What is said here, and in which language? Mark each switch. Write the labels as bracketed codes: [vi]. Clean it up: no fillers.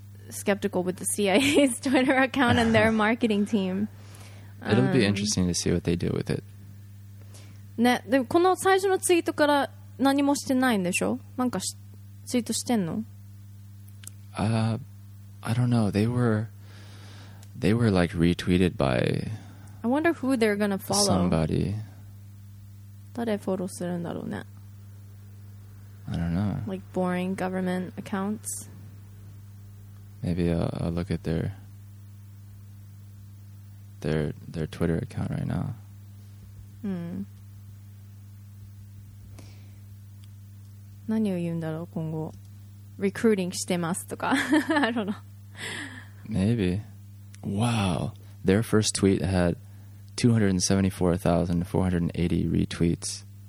[en] skeptical with the CIA's Twitter account and their marketing team. It'll be interesting to see what they do with it. [ja] ね、でもこの最初のツイートから何もしてないんでしょ？なんかツイートしてんの？ [en] I don't know. They were like retweeted by. I wonder who they're gonna follow. Somebody. [ja] 誰フォローするんだろうね。 [en] I don't know. Like boring government accounts. Maybe I'll look at their Twitter account right now. Hmm. [ja] 何を言うんだろう今後。 [en] Recruiting [ja] してますとか。 [en] I don't know. Maybe. Wow. Their first tweet had 274,480 retweets.